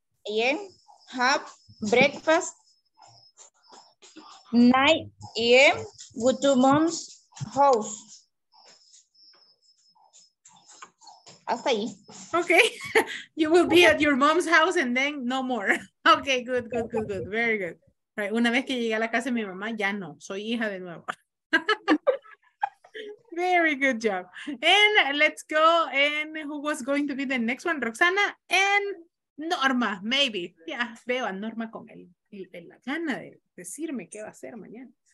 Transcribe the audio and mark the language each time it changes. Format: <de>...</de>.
<en>A.m. Have breakfast. 9 a.m. Go to mom's house.</en> <es>hasta ahí.</es> <en>Okay, you will be at your mom's house and then no more. Okay, good, good, good, good, very good.</en> <es>Right, una vez que llegué a la casa de mi mamá, ya no, soy hija de nuevo.</es> <en>Very good job. And let's go, and who was going to be the next one? Roxana and Norma, maybe.</en> <es>Yeah, veo a Norma con el la gana de decirme qué va a hacer mañana.</es>